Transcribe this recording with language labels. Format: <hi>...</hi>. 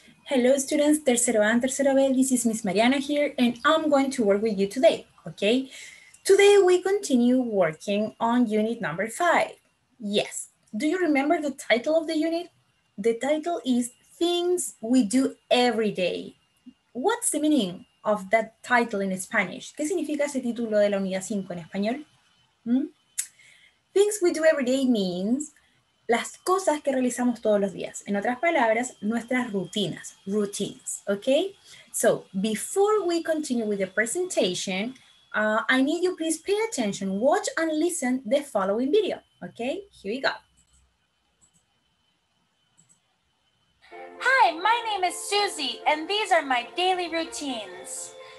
<en>Hello students, tercero A and tercero B, this is Miss Mariana here and I'm going to work with you today, okay? Today we continue working on unit number 5. Yes, do you remember the title of the unit? The title is Things We Do Every Day. What's the meaning of that title in Spanish?</en> <es>¿Qué significa ese título de la unidad 5 en español?</es> <en>Things We Do Every Day means</en> <es>las cosas que realizamos todos los días. En otras palabras, nuestras rutinas, routines, okay?</es> <en>So, before we continue with the presentation, I need you please pay attention, watch and listen the following video, okay? Here we go. Hi, my name is Susie, and these are my daily routines.</en>